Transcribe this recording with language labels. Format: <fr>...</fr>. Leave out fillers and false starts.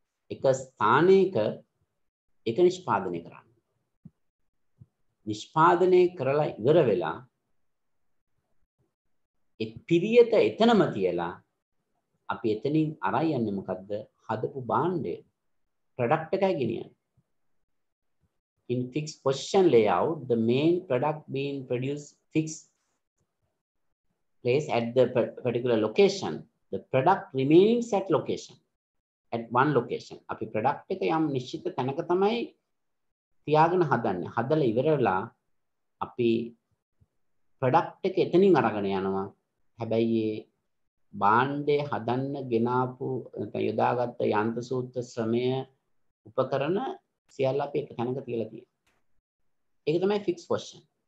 <si>එක ස්ථානයක එක නිෂ්පාදනය කරන්න. නිෂ්පාදනය කරලා ඉවර වෙලා ඒ පිරියත එතනම තියලා අපි එතනින් අරන් යන්නේ මොකද්ද? හදපු භාණ්ඩය ප්‍රොඩක්ට් එකයි ගෙනියන්නේ.</si> <en>In fixed position layout, the main product being produced fixed place at the particular location, the product remains at location, at one location.</en> <si>අපි ප්‍රොඩක්ට් එක යම් නිශ්චිත තැනක තමයි තියාගෙන හදන්නේ. හදලා ඉවරලා අපි ප්‍රොඩක්ට් එක එතනින් අරගෙන යනවා. හැබැයි ඒ භාණ්ඩේ හදන්න ගෙනාපු නැත්නම් යොදාගත්ත යන්ත්‍ර සූත්‍ර ශ්‍රමය උපකරණ සියල්ල අපි එක තැනක තියලා තියෙනවා. ඒක තමයි ෆික්ස් පොෂන්.</si>